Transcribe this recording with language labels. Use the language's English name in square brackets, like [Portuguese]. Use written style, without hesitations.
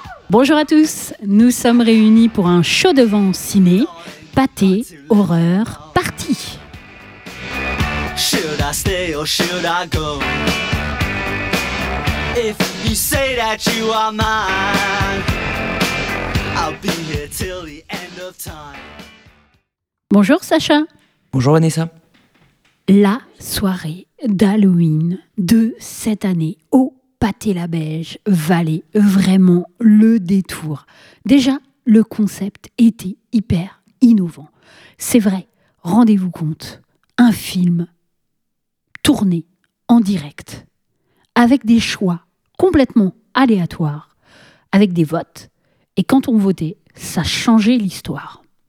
[French] Bonjour à tous, nous sommes réunis pour un show devant ciné, pâté, horreur, party. [English] Should I stay or should I go? If you say that you are mine, I'll be here till the end of time. [French] Bonjour Sacha. Bonjour Vanessa. La soirée d'Halloween de cette année au Pâté la Belge valait vraiment le détour. Déjà, le concept était hyper innovant. C'est vrai, rendez-vous compte, un film tourné en direct, avec des choix complètement aléatoires, avec des votes, et quand on votait, ça changeait l'histoire.